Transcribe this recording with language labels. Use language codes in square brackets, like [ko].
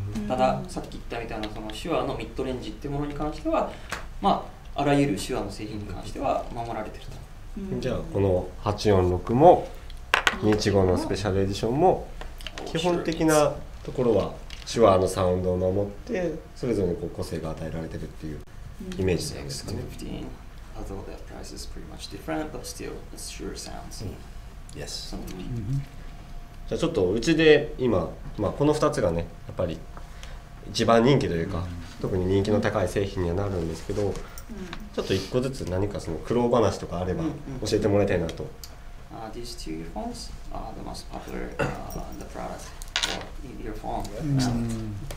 [ja] ただ、さっき言ったみたいなその手話のミッドレンジっていうものに関しては、まあ、あらゆる手話の製品に関しては守られていると。じゃあこの846も25のスペシャルエディションも基本的なところは手話のサウンドを守ってそれぞれにこう個性が与えられているっていうイメージなんですかね。 [en] 615, although that price is pretty much different, but still it's sure sounds. Yes. [ja] じゃあちょっとうちで今、まあ、この2つがねやっぱり一番人気というか、特に人気の高い製品にはなるんですけど、ちょっと1個ずつ何かその苦労話とかあれば教えてもらいたいなと。 [en] These two earphones are the most popular in the product or earphone.